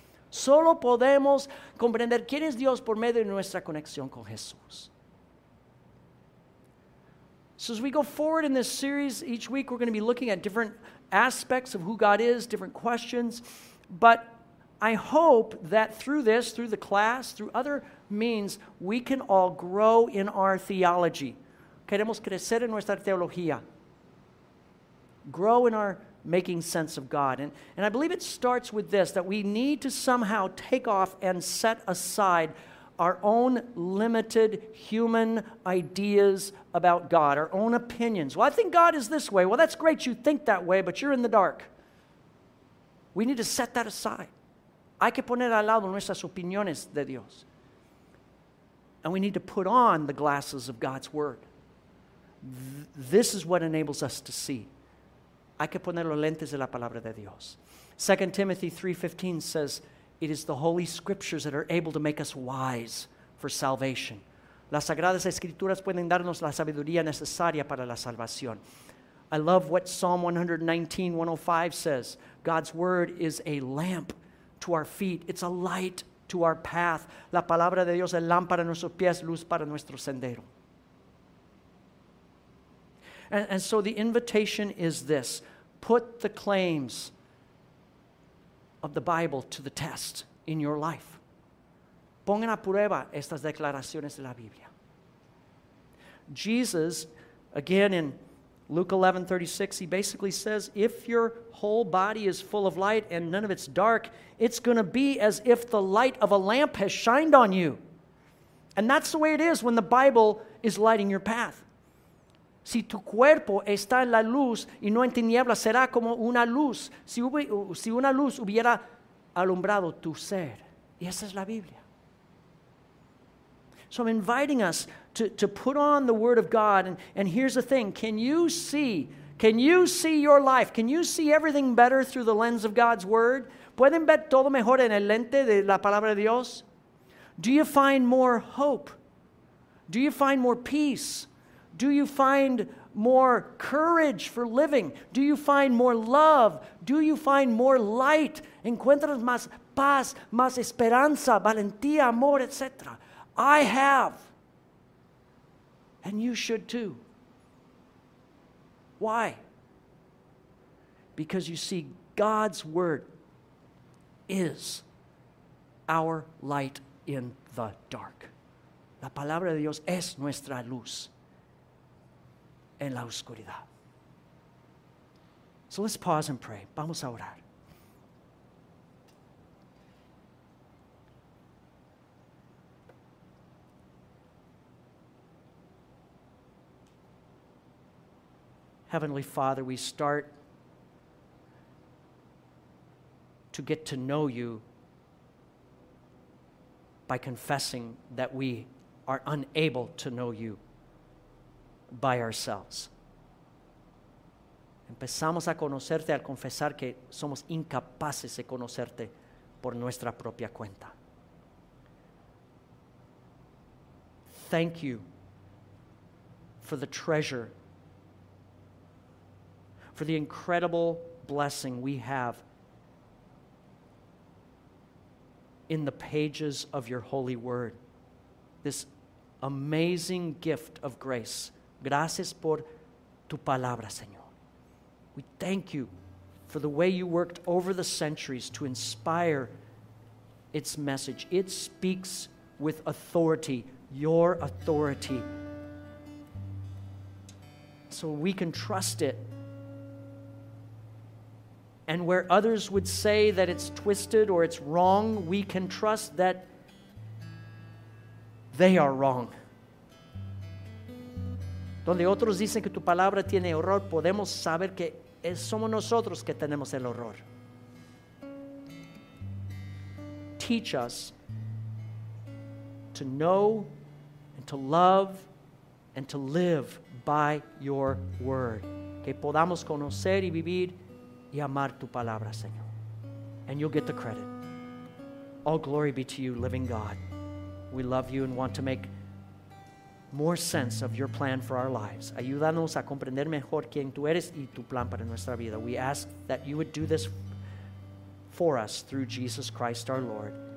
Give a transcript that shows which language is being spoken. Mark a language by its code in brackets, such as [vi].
[es] Solo podemos comprender quién es Dios por medio de nuestra conexión con Jesús. [en] So as we go forward in this series, each week we're going to be looking at different aspects of who God is, different questions, but I hope that through this, through the class, through other means, we can all grow in our theology. [es] Queremos crecer en nuestra teología. [en] Grow in our making sense of God. And I believe it starts with this, that we need to somehow take off and set aside our own limited human ideas about God, our own opinions. Well, I think God is this way. Well, that's great you think that way, but you're in the dark. We need to set that aside. [es] Hay que poner al lado nuestras opiniones de Dios. [en] And we need to put on the glasses of God's word. This is what enables us to see. [es] Hay que poner los lentes de la palabra de Dios. [en] 2 Timothy 3:15 says, "It is the Holy Scriptures that are able to make us wise for salvation." [es] Las Sagradas Escrituras pueden darnos la sabiduría necesaria para la salvación. [en] I love what Psalm 119:105 says. God's word is a lamp to our feet. It's a light to our path. [es] La palabra de Dios es lámpara a nuestros pies, luz para nuestro sendero. [en] And so the invitation is this: put the claims of the Bible to the test in your life. [es] Pongan a prueba estas declaraciones de la Biblia. [en] Jesus, again in Luke 11:36, he basically says, if your whole body is full of light and none of it's dark, it's going to be as if the light of a lamp has shined on you. And that's the way it is when the Bible is lighting your path. [es] Si tu cuerpo está en la luz y no en tinieblas, será como una luz. Si una luz hubiera alumbrado tu ser. Y esa es la Biblia. [en] So I'm inviting us to put on the word of God. And here's the thing. Can you see your life? Can you see everything better through the lens of God's word? [es] ¿Pueden ver todo mejor en el lente de la palabra de Dios? [en] Do you find more hope? Do you find more peace? Do you find more courage for living? Do you find more love? Do you find more light? [es] ¿Encuentras más paz, más esperanza, valentía, amor, etc.? [en] I have. And you should too. Why? Because you see, God's word is our light in the dark. [es] La palabra de Dios es nuestra luz en la oscuridad. [en] So let's pause and pray. [es] Vamos a orar. [en] Heavenly Father, we start to get to know you by confessing that we are unable to know you by ourselves. [es] Empezamos a conocerte al confesar que somos incapaces de conocerte por nuestra propia cuenta. [en] Thank you for the treasure, for the incredible blessing we have in the pages of your holy word, this amazing gift of grace. [es] Gracias por tu palabra, Señor. [en] We thank you for the way you worked over the centuries to inspire its message. It speaks with authority, your authority. So we can trust it. And where others would say that it's twisted or it's wrong, we can trust that they are wrong. [es] Donde otros dicen que tu palabra tiene error, podemos saber que somos nosotros que tenemos el error. [en] Teach us to know and to love and to live by your word. [es] Que podamos conocer y vivir y amar tu palabra, Señor. [en] And you'll get the credit. All glory be to you, living God. We love you and want to make more sense of your plan for our lives. [es] Ayúdanos a comprender mejor quién tú eres y tu plan para nuestra vida. [en] We ask that you would do this for us through Jesus Christ our Lord,